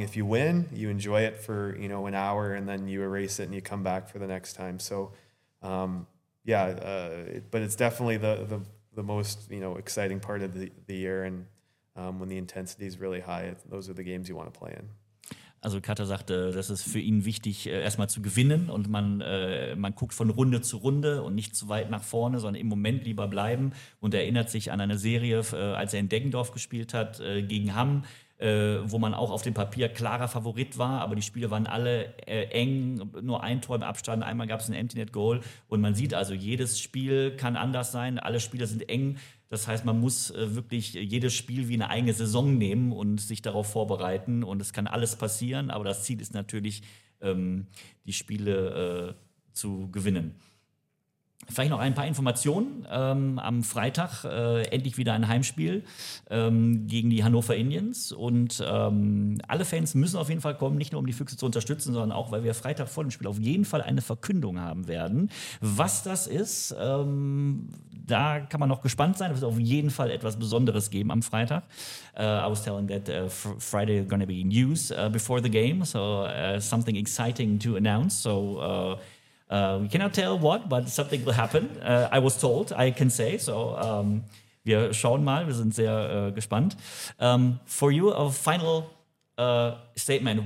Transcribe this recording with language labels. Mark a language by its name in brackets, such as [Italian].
[English] If you win, you enjoy it for, you know, an hour, and then you erase it and you come back for the next time. So, but it's definitely the most, you know, exciting part of the year. And when the intensity is really high, those are the games you want to play in. [German] Also Kata sagte, das ist für ihn wichtig, erstmal zu gewinnen, und man guckt von Runde zu Runde und nicht zu weit nach vorne, sondern im Moment lieber bleiben, und er erinnert sich an eine Serie, als er in Deggendorf gespielt hat, gegen Hamm, wo man auch auf dem Papier klarer Favorit war, aber die Spiele waren alle eng, nur ein Tor im Abstand, einmal gab es ein Empty-Net-Goal, und man sieht also, jedes Spiel kann anders sein, alle Spiele sind eng. Das heißt, man muss wirklich jedes Spiel wie eine eigene Saison nehmen und sich darauf vorbereiten. Und es kann alles passieren, aber das Ziel ist natürlich, die Spiele zu gewinnen. Vielleicht noch ein paar Informationen. Am Freitag endlich wieder ein Heimspiel gegen die Hannover Indians. Und alle Fans müssen auf jeden Fall kommen, nicht nur um die Füchse zu unterstützen, sondern auch, weil wir Freitag vor dem Spiel auf jeden Fall eine Verkündung haben werden. Was das ist, da kann man noch gespannt sein. Es wird auf jeden Fall etwas Besonderes geben am Freitag. [English] I was telling that Friday is going to be news before the game. So something exciting to announce. So we cannot tell what, but something will happen. I was told, I can say. So [German] wir schauen mal. Wir sind sehr gespannt. [English] For you, a final statement.